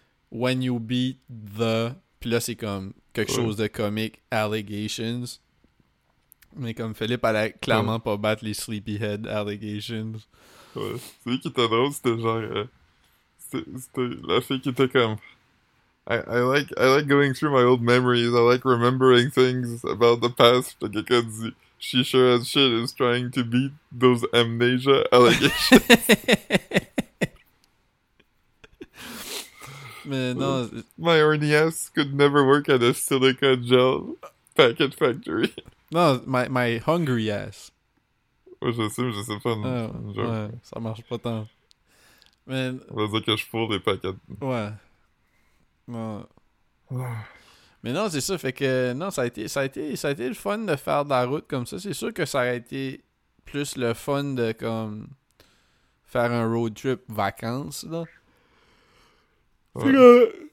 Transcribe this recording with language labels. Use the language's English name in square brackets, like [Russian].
[English] when you beat the... [French] Puis là, c'est comme quelque chose de comique. Allegations. Mais comme Philippe allait clairement pas battre les [English] sleepyhead allegations. [French] Ouais. Celui qui était drôle, c'était genre... C'était la fille qui était comme... [English] I like going through my old memories. I like remembering things about the past. [French] Puis quelqu'un dit... [English] She sure as shit is trying to beat those amnesia allegations. [French] Mais non. [English] My horny ass could never work at a silica gel packet factory. Non, my hungry ass. [French] Ouais, je sais, mais je sais pas. Non, genre. Ouais, ça marche pas tant. Mais... On va dire que je fourre des paquets. Ouais. Non. Mais non, c'est ça, fait que non, ça a été le fun de faire de la route comme ça. C'est sûr que ça a été plus le fun de comme faire un road trip vacances là. Ouais.